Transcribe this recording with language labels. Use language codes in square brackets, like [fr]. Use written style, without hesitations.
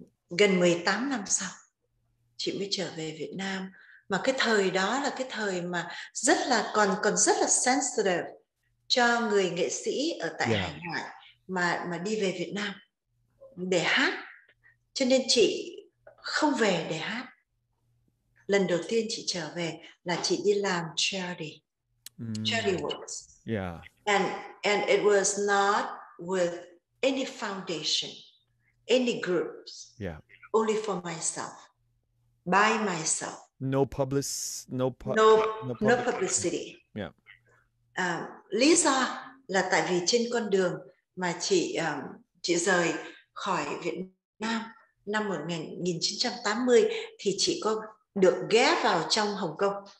[vi] Gần 18 năm sau chị mới trở về Việt Nam. Mà cái thời đó là cái thời mà rất là còn rất là sensitive cho người nghệ sĩ ở tại hải ngoại mà đi về Việt Nam để hát. Cho nên chị không về để hát. Lần đầu tiên chị trở về là chị đi làm [en] charity works, and it was not with any foundation, any groups, only for myself, by myself, No no public. publicity. [vi] Lý do là tại vì trên con đường mà chị rời khỏi Việt Nam năm 1980 thì chị có được ghé vào trong Hồng Kông,